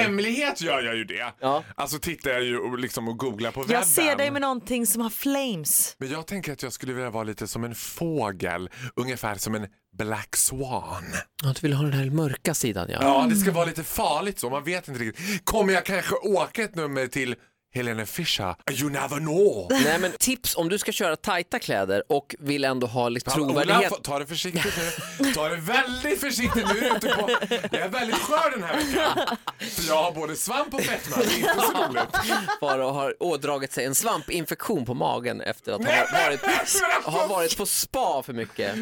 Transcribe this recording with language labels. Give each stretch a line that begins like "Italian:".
Swedish: I hemlighet gör jag ju det. Ja. Alltså tittar jag ju liksom och googlar på jag webben. Jag ser dig med någonting som har flames. Men jag tänker att jag skulle vilja vara lite som en fågel. Ungefär som en Black Swan. Att du vill ha den här mörka sidan, ja. Ja, det ska vara lite farligt så. Man vet inte riktigt. Kommer jag kanske åka ett nummer till...
English: Helene Fischer, you never know.
Swedish: Nej, men tips om du ska köra tajta kläder och vill ändå ha lite trovärdighet. Ta det försiktigt nu. Ta det väldigt försiktigt nu. Jag är väldigt skör den här veckan. För jag har både svamp och fetma. Det är inte så roligt. Bara har ådragit sig en svampinfektion på magen efter att ha varit på spa för mycket.